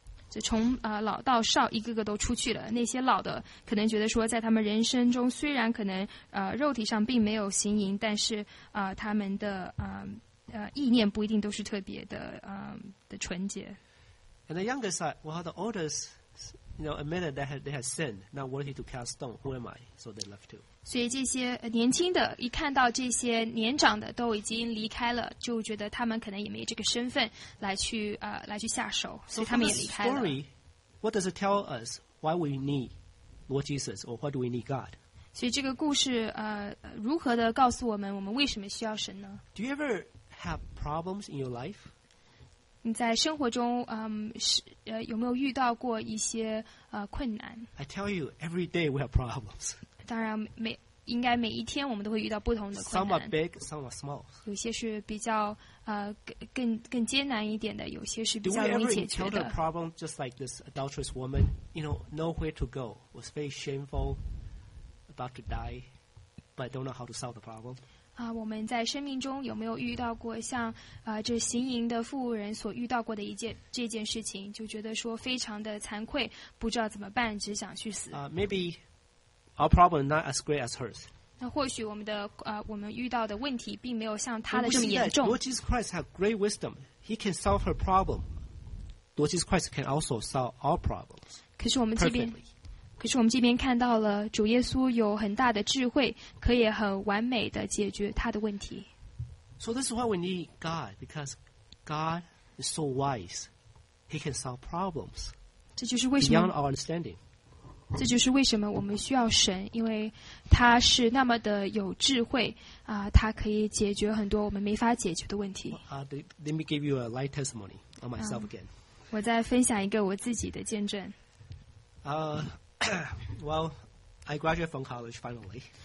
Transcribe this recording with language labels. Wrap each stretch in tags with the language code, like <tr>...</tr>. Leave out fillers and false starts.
<zh>就从老到少一个个都出去了，那些老的可能觉得说在他们人生中虽然可能肉体上并没有行淫，但是他们的意念不一定都是特别的的纯洁。</zh> <en>And the younger side, well, the oldest, you know, admitted that they had sinned, not worthy to cast stone. Who am I? So they left too.</en> <zh>所以这些年轻的一看到这些年长的都已经离开了，就觉得他们可能也没这个身份来去下手，所以他们也离开了。</zh> <en>So from this story, what does it tell us? Why we need Lord Jesus, or why do we need God?</en> <zh>所以这个故事如何的告诉我们，我们为什么需要神呢？</zh> <en>Do you ever have problems in your life?</en> <zh>你在生活中有没有遇到过一些困难？</zh> <en>I tell you, every day we have problems.</en> <zh>当然应该每一天我们都会遇到不同的困难。</zh> <en>Some are big, some are small.</en> <zh>有些是比较更艰难一点的，有些是比较容易解决的。</zh> <en>Do we ever encounter a problem just like this adulterous woman? You know, nowhere to go, was very shameful, about to die, but don't know how to solve the problem.</en> <zh>我们在生命中有没有遇到过像这行淫的妇人所遇到过的这件事情，就觉得说非常的惭愧，不知道怎么办，只想去死。</zh> <en>Maybe. Our problem not as great as hers.</en> <zh>那或许我们遇到的问题并没有像他的这么严重。</zh> <en>Lord Jesus Christ has great wisdom. He can solve her problem. Lord Jesus Christ can also solve our problems.</en> <zh>可是我们这边看到了主耶稣有很大的智慧，可以很完美的解决他的问题。</zh> <en>So this is why we need God, because God is so wise. He can solve problems.</en> <zh>这就是为什么</zh> <en>beyond our understanding.</en> <zh>这就是为什么我们需要神，因为他是那么的有智慧他可以解决很多我们没法解决的问题。</zh> <en>Let me give you a light testimony on myself again.</en> <zh>我再分享一个我自己的见证。</zh> <en>Well, I graduated from college finally.</en>